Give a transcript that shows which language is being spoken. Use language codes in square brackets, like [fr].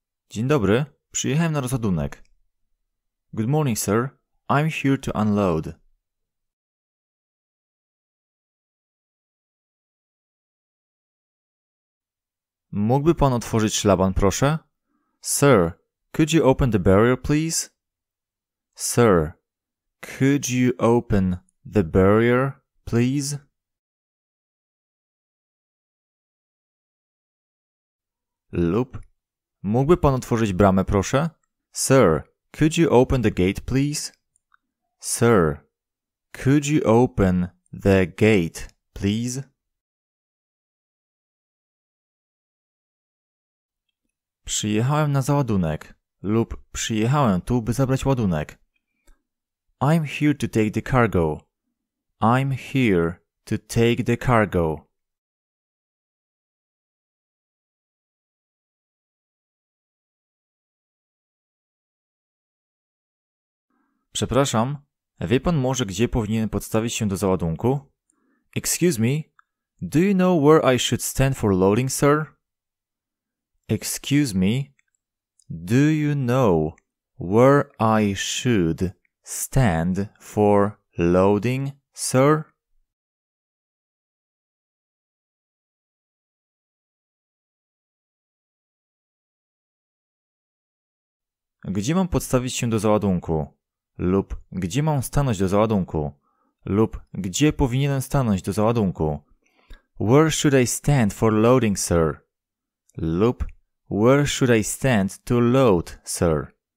[pl] Dzień dobry, przyjechałem na rozładunek. [en] Good morning, sir. I'm here to unload. [pl] Mógłby pan otworzyć szlaban, proszę? [en] Sir, could you open the barrier, please? Sir, could you open The barrier, please. [pl] Lub mógłby pan otworzyć bramę, proszę? [en] Sir, could you open the gate, please? Sir, could you open the gate, please? [pl] Przyjechałem na załadunek. Lub przyjechałem tu, by zabrać ładunek. [en] I'm here to take the cargo. I'm here to take the cargo. [pl] Przepraszam, wie pan może, gdzie powinienem podstawić się do załadunku? [en] Excuse me, do you know where I should stand for loading, sir? Excuse me, do you know where I should stand for loading, sir? [pl] Gdzie mam podstawić się do załadunku? Lub gdzie mam stanąć do załadunku? Lub gdzie powinienem stanąć do załadunku? [en] Where should I stand for loading, sir? Lub where should I stand to load, sir?